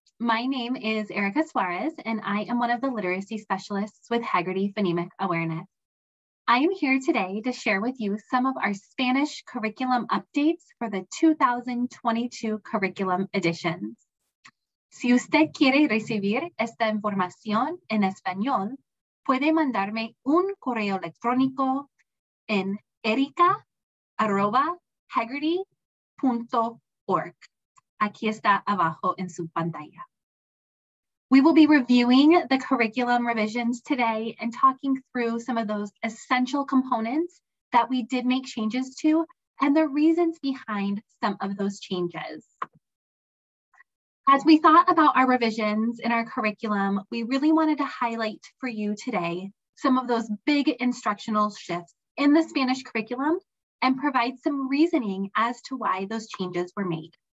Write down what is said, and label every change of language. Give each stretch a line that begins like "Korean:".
English: My name is Erica Suarez, and I am one of the literacy specialists with Heggerty Phonemic Awareness. I am here today to share with you some of our Spanish curriculum updates for the 2022 curriculum editions.
Spanish: Si usted quiere recibir esta información en español, puede mandarme un correo electrónico en erica@heggerty.org. Aquí está abajo en su pantalla.
English: We will be reviewing the curriculum revisions today and talking through some of those essential components that we did make changes to and the reasons behind some of those changes. As we thought about our revisions in our curriculum, we really wanted to highlight for you today some of those big instructional shifts in the Spanish curriculum and provide some reasoning as to why those changes were made.